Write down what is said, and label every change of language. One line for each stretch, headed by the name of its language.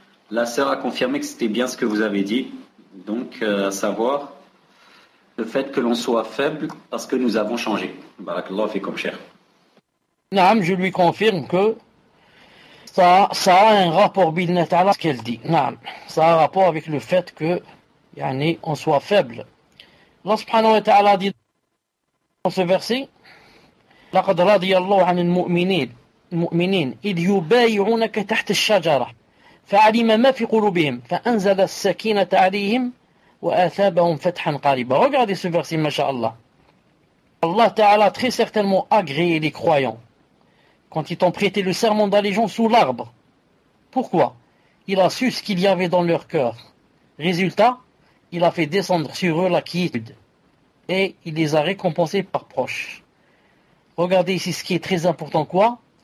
French: La sœur a confirmé que c'était bien ce que vous avez dit. Donc, à savoir, le fait que l'on soit faible parce que nous avons changé.
Arabic: Barakallahu fikoum, Cheikh.
French: Naam, je lui confirme que ça a un rapport
Arabic: bi'idnillahi ta'ala,
French: ce qu'elle dit. Naam, ça a un rapport avec le fait que on soit faible.
Arabic: Allah subhanahu wa ta'ala
French: dit dans ce verset,
Arabic: لقد رضي الله عن المؤمنين إذ يبايعونك تحت الشجرة فعلم ما في قلوبهم فأنزل السكينة عليهم وأثابهم فتحا قريبا.
French: Regardez ce verset, mashallah. Allah Ta'ala a très certainement agréé les croyants quand ils t'ont prêté le serment d'allégeance sous l'arbre. Pourquoi? Il a su ce qu'il y avait dans leur cœur. Résultat, il a fait descendre sur eux la quiétude. Et il les a récompensés par proche. Regardez ici ce qui est très important, quoi?